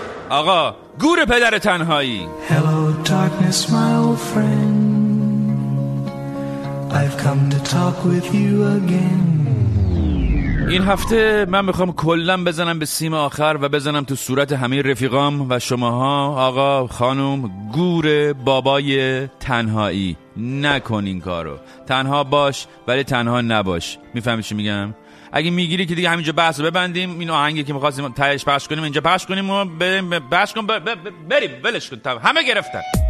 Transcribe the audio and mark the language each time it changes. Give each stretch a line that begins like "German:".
Persian: آقا گور پدر تنهایی.
English: Hello darkness my old friend, I've come to talk with you again.
Persian: این هفته من میخوام کلن بزنم به سیم آخر و بزنم تو صورت همه رفیقام و شماها. آقا خانم، گور بابای تنهایی، نکن این کارو. تنها باش ولی تنها نباش، میفهمی چی میگم؟ اگه میگیری که دیگه همینجا بحث رو ببندیم، این آهنگی که میخواستیم تهش پخش کنیم اینجا پخش کنیم و بریم پخش کن، بریم ولش کن، همه گرفتن.